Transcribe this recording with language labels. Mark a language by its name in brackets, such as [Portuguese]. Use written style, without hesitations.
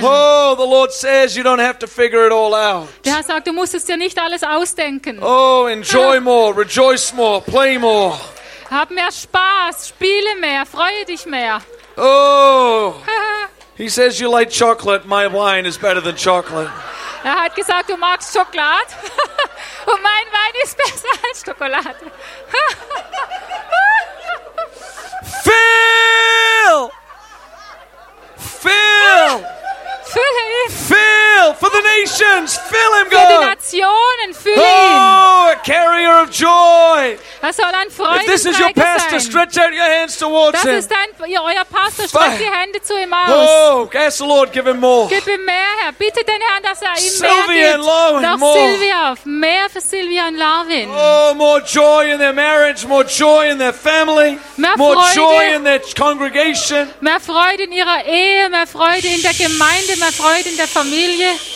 [English] Oh, the Lord says you don't have to figure it all out. [German] Der Herr sagt, du musst es dir nicht alles ausdenken. [English] Oh, enjoy more, rejoice more, play more. [German] Hab mehr Spaß, spiele mehr, freue dich mehr. [English] Oh, he says you like chocolate. My wine is better than chocolate. [German] Er hat gesagt, du magst Schokolade, und mein Wein ist besser als Schokolade. [English] Fill, fill, fill him. Fill for the nations. Fill him, God. [German] Für die Nationen, [English] fill him. Oh, a carrier of joy. [German] Er soll ein Freudenträger sein. [English] If this is your pastor, stretch out your hands towards him. [German] Das ist dein, euer Pastor, streck die Hände zu ihm aus. [English] Oh, ask the Lord, give him more. [German] Gib ihm mehr, Herr. Bitte den Herrn, dass er ihm Sylvia mehr gibt. [English] Sylvia and Lawen, more. [German] Sylvia, mehr für Sylvia und Lawen. [English] Oh, more joy in their marriage, more joy in their family, [German] mehr [English] more [German] Freude. [English] Joy in their congregation. [German] Mehr Freude in ihrer Ehe, mehr Freude in der Gemeinde, mehr Freude in der Familie.